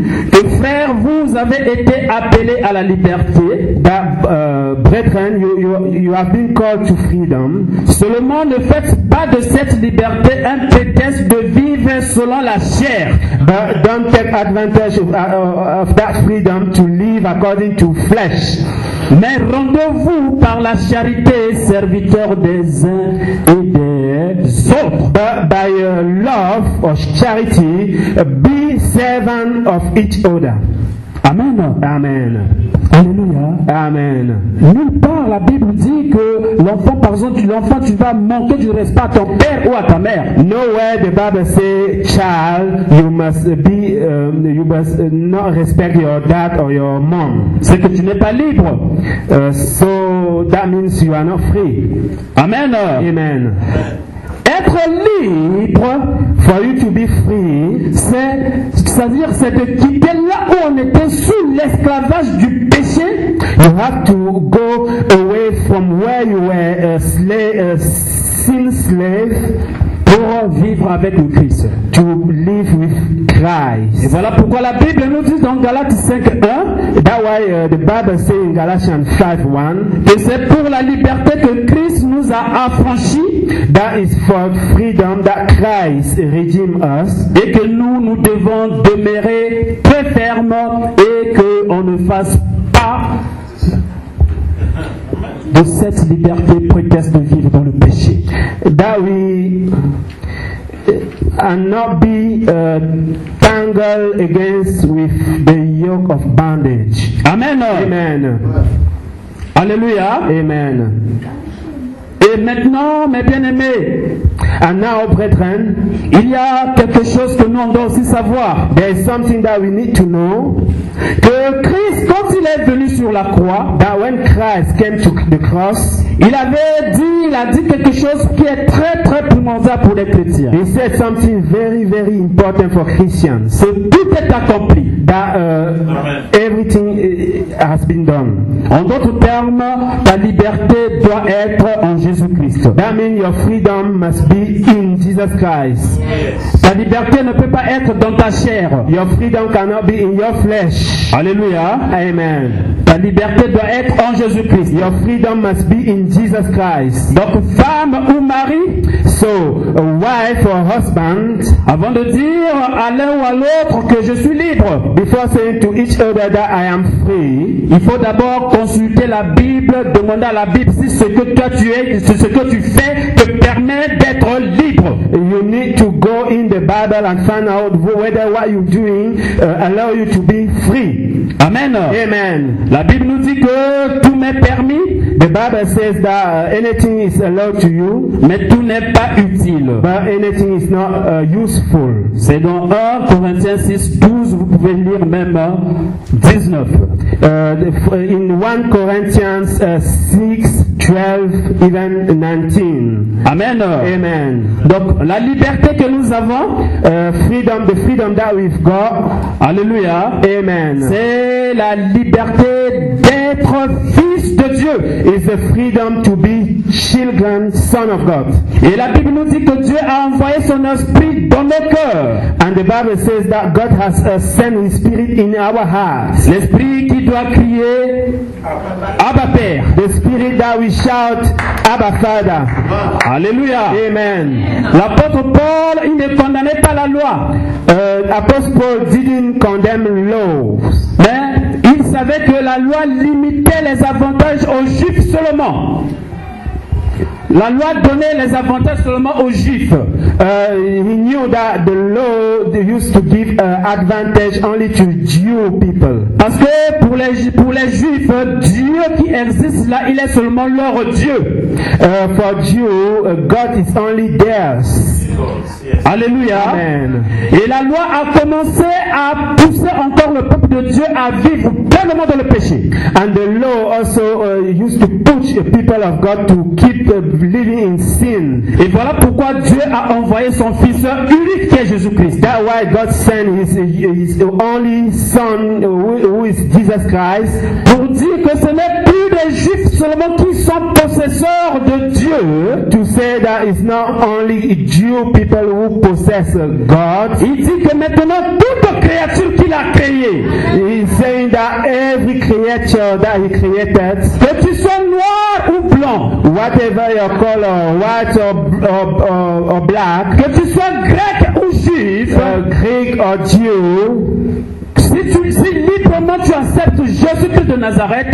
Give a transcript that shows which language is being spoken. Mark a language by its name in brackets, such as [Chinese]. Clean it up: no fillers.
[French] que frères, vous avez été appelés à la liberté, [English] that, brethren, you have been called to freedom. [French] Seulement, ne faites pas de cette liberté un prétexte de vivre selon la chair. [English] But don't take advantage of that freedom to live according to flesh. [French] Mais rendez-vous par la charité serviteurs des uns et des autres. [English] But by love or charity, be servant of each other. Amen. Amen. Alléluia. Amen. [French] Nulle part la Bible dit que l'enfant, par exemple, l'enfant, tu vas manquer du respect à ton père ou à ta mère. [English] Nowhere the Bible says, child, you must not respect your dad or your mom. [French] C'est que tu n'es pas libre. [English] So that means you are not free. Amen. Amen. [French] Être libre, [English] for you to be free, [French] c'est-à-dire c'est de quitter là où on était sous l'esclavage du péché. [English] You have to go away from where you were sin slave, [French] pour vivre avec le Christ. [English] To live with Christ. [French] Et voilà pourquoi la Bible nous dit dans Galates 5:1, [English] that's why the Bible says in Galatians 5:1, [French] que c'est pour la liberté que Christ nous a affranchi, [English] that is for freedom that Christ redeemed us, [French] et que nous devons demeurer très ferme et que on ne fasse pas de cette liberté prétexte de vivre dans le péché. [English] That we and not be tangled against with the yoke of bondage. Amen. Amen. Alléluia. Amen. [French] Et maintenant, mes bien-aimés, [English] and now, brethren, [French] il y a quelque chose que nous devons aussi savoir. [English] There is something that we need to know. [French] Que Christ, quand il est venu sur la croix, [English] that when Christ came to the cross, [French] il a dit quelque chose qui est très très primordial pour les chrétiens. [English] He said something very very important for Christians. [French] C'est tout est accompli. [English] That everything has been done. [French] En d'autres termes, ta liberté doit être en Jésus Christ. [English] That means your freedom must be in Jesus Christ. Yes. [French] Ta liberté ne peut pas être dans ta chair. [English] Your freedom cannot be in your flesh. Alléluia. Amen. [French] Ta liberté doit être en Jésus Christ. [English] Your freedom must be in Jesus Christ. [French] Donc, femme ou mari, [English] so a wife or husband, [French] avant de dire à l'un ou à l'autre que je suis libre, [English] before saying to each other that I am free, [French] il faut d'abord consulter la Bible, demander à la Bible si ce que toi tu es, si ce que tu fais te permet d'être être libre. [English] You need to go in the Bible and find out whether what you're doing allow you to be free. Amen. Amen. [French] La Bible nous dit que tout m'est permis. [English] The Bible says that anything is allowed to you. [French] Mais tout n'est pas utile. [English] But anything is not useful. [French] C'est dans 1 Corinthiens 6, 12, vous pouvez lire même 19. [English] In 1 Corinthians 6, 12, even 19. Amen. Amen. [French] Donc, la liberté que nous avons, [English] freedom, the freedom that we've got, alléluia, amen. [French] C'est la liberté d'être fils de Dieu. [English] It's the freedom to be children, son of God. [French] Et la Bible nous dit que Dieu a envoyé son esprit dans nos cœurs. [English] And the Bible says that God has sent his spirit in our hearts. [French] L'esprit qui doit crier Abba Père. [English] The spirit that we shout Abba Father. Alléluia. Amen. [French] L'apôtre Paul, il ne condamnait pas la loi. [English] Apostle Paul didn't condemn laws. [French] Mais il savait que la loi limitait les avantages aux Juifs seulement. La loi donnait les avantages seulement aux Juifs. [English] He knew that the law used to give advantage only to Jew people. [French] Parce que pour les Juifs, Dieu qui existe là, il est seulement leur Dieu. [English] For Jew, God is only theirs. Alléluia. Amen. [French] Et la loi a commencé à pousser encore le peuple de Dieu à vivre pleinement dans le péché. [English] And the law also used to push the people of God to keep living in sin. [French] Et voilà pourquoi Dieu a envoyé son fils unique qui est Jésus-Christ. [English] That's why God sent his only son who is Jesus Christ. [French] Pour dire que ce n'est plus des Juifs seulement qui sont possesseurs de Dieu. [English] To say that it's not only Jews people who possess God. [French] Il dit que maintenant toute créature qu'il a créée, [English] he's saying that every creature that he created, [French] que tu sois noir ou blanc, [English] whatever your color, white or black, [French] que tu sois grec ou juif, [English] Greek or Jew, [French] si librement tu acceptes Jésus-Christ de Nazareth,